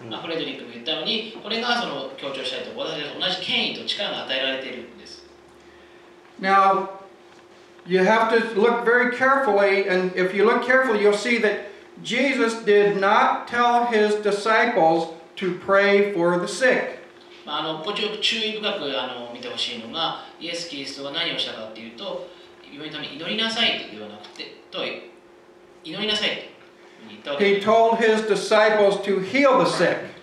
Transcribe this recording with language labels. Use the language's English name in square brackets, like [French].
[Japanese] フレデリックが言っったように、これがその強調したいところです。同じ権威と力が与えられているんです。 [English] Now, you have to look very carefully, and if you look carefully, you'll see that Jesus did not tell his disciples to pray for the sick. [Japanese] まあ、こちらを注意深く見てほしいのが、イエス・キリストが何をしたかというと、祈りなさいと言わなくて、と祈りなさいと。 [English] He told his disciples to heal the sick.